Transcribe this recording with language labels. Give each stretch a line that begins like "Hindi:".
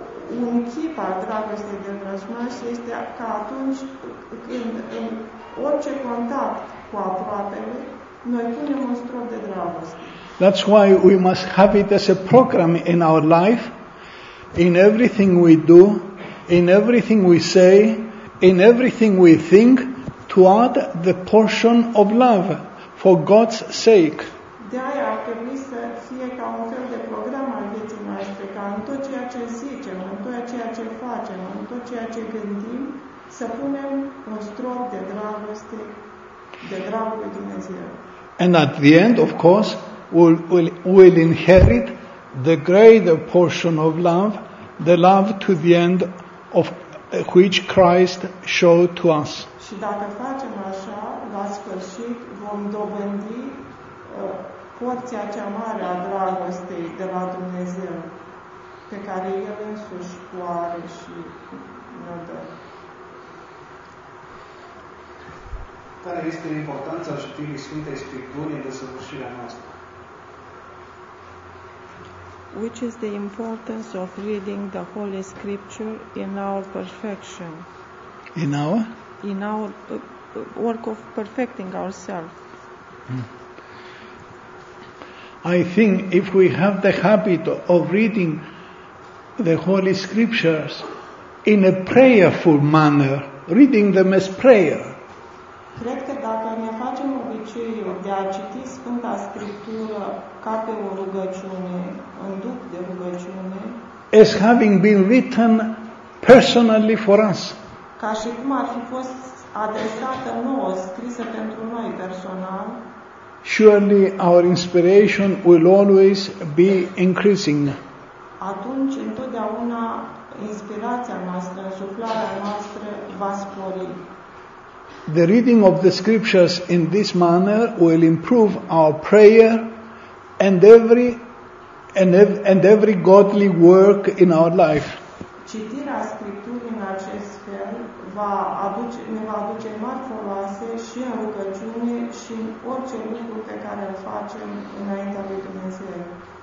Romanian: Un tip al dragostei de vrăjmaș este ca atunci când în orice contact cu aproapele noi punem un strop de dragoste.
English: That's why we must have it as a program in our life, in everything we do, in everything we say, in everything we think to add the portion of love for God's sake.
Romanian: De aia ar trebui să fie ca un fel de program al vieții noastre, ca în tot ceea ce zicem, în tot ceea ce facem, în tot ceea ce gândim, să punem un strop de dragoste, de dragul lui Dumnezeu.
English: And at the end, of course, we'll inherit the greater portion of love, the love to the end of which Christ showed to us.
Romanian: Și dacă facem așa, la sfârșit vom dobândi porția cea mare a dragostei de la Dumnezeu pe care El însuși o are și ne-o dă. Care este importanța citirii Sfintei Scripturii în desăvârșirea noastră?
English: Which is the importance of reading the Holy Scripture in our perfection? In our? In our work of perfecting ourselves. I think if we have the habit of reading the Holy Scriptures in a prayerful manner, reading them as prayer.
Romanian: Cred că dacă ne facem obiceiul de a citi Sfânta Scriptură ca pe o rugăciune, în duc de rugăciune,
English: as having been written personally for us,
Romanian: ca și cum ar fi fost adresată nouă, scrisă pentru noi personal,
English: surely our inspiration will always be increasing.
Romanian: Atunci întotdeauna inspirația noastră, suflarea noastră va spori.
English: The reading of the scriptures in this manner will improve our prayer and every godly work in our life.
Romanian: Citirea scripturii în acest fel ne va aduce mari foloase și în rugăciune și în orice lucru pe care îl facem înaintea lui Dumnezeu.
English: Yeah.